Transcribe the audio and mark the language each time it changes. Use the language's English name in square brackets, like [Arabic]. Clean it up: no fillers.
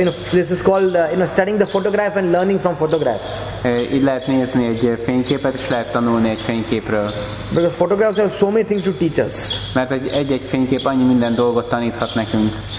[English] This is called studying the photograph and learning from photographs. [Hungarian] Így lehet nézni egy fényképet, és lehet tanulni egy fényképről. [English] Because photographs have so many things to teach us. [Hungarian] Mert egy-egy fénykép annyi minden dolgot taníthat nekünk.